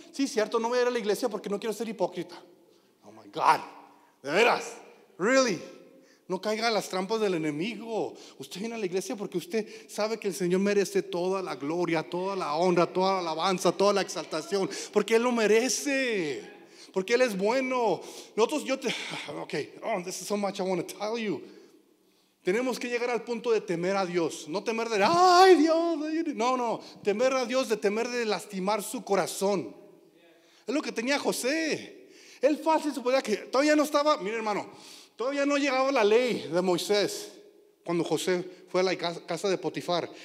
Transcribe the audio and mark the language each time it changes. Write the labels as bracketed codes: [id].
[es] Sí, cierto, no voy a ir a la iglesia porque no quiero ser hipócrita. God, de veras, really, no caiga a las trampas del enemigo. Usted viene a la iglesia porque usted sabe que el Señor merece toda la gloria, toda la honra, toda la alabanza, toda la exaltación, porque Él lo merece, porque Él es bueno. [en] Nosotros, this is so much I want to tell you. [es] Tenemos que llegar al punto de temer a Dios, no temer de, ay Dios, no, temer a Dios, de temer de lastimar su corazón. Es lo que tenía José. Él fácil se podía que todavía no estaba, mire hermano, todavía no llegaba la ley de Moisés cuando José fue a la casa de Potifar.